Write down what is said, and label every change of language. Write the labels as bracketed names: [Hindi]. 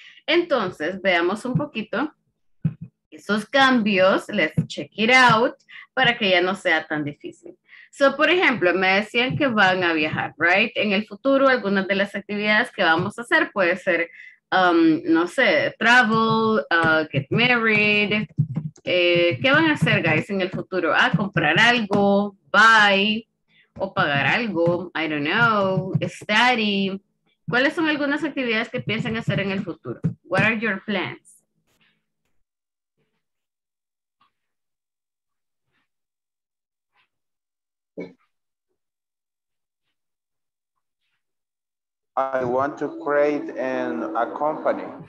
[Spanish] Entonces, veamos un poquito esos cambios, [English] let's check it out, [Spanish] para que ya no sea tan difícil. So, por ejemplo, me decían que van a viajar, right? En el futuro, algunas de las actividades que vamos a hacer puede ser, no sé, travel, get married. ¿Qué van a hacer, guys, en el futuro? Ah, comprar algo, buy, o pagar algo, [English] I don't know, [Spanish] study. ¿Cuáles son algunas actividades que piensan hacer en el futuro? [English] What are your plans? I want to create a company.